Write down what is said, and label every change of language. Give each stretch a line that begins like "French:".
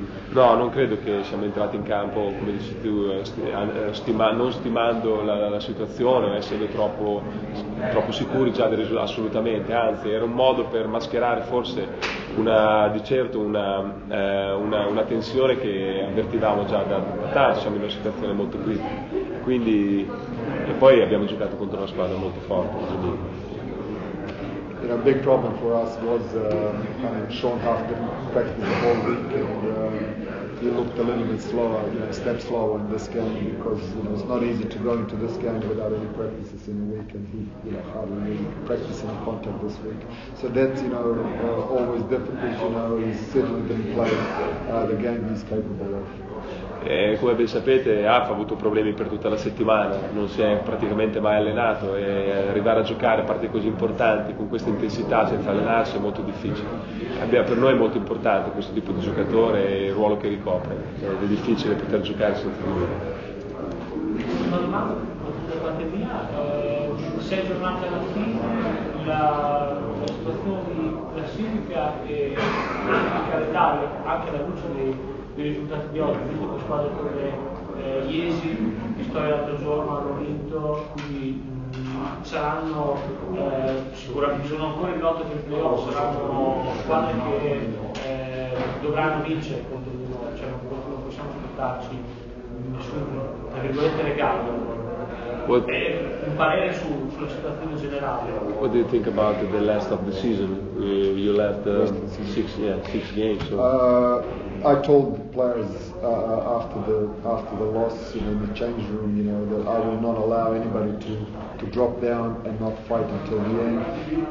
Italian: No, non credo che siamo entrati in campo, come dici tu, non stimando la situazione, essendo troppo sicuri già del risultato, assolutamente, anzi era un modo per mascherare forse una tensione che avvertivamo già da tanto, siamo in una situazione molto critica. Quindi, e poi abbiamo giocato contro una squadra molto forte. Quindi.
English: And a big problem for us was Sean after practice the whole week, and he looked a little bit slower, step slower in this game, because it's not easy to go into this game without any practices in a week, and he hardly really practiced any contact this week. So that's always difficult. He certainly didn't play the game he's capable of.
Italian: Come ben sapete, Af ha avuto problemi per tutta la settimana, non si è praticamente mai allenato, e arrivare a giocare partite così importanti con questa intensità senza allenarsi è molto difficile. Per noi è molto importante questo tipo di giocatore e il ruolo che ricopre, ed è difficile poter giocare senza di lui. Una domanda, dopo la pandemia, si è tornata alla fine, la situazione di classifica e anche all'Italia, anche alla luce dei risultati di oggi, visto che squadre come Iesi, Pistoia l'altro giorno hanno vinto, quindi saranno sicuramente, sono ancora in lotta per il playoff, saranno squadre che dovranno vincere contro di noi, cioè non possiamo aspettarci nessun, tra virgolette, regalo. Un parere sulla situazione generale.
English: What do you think about the last of the season? You left six games. So. I told the players after the loss in the change room, that I will not allow anybody to drop down and not fight until the end.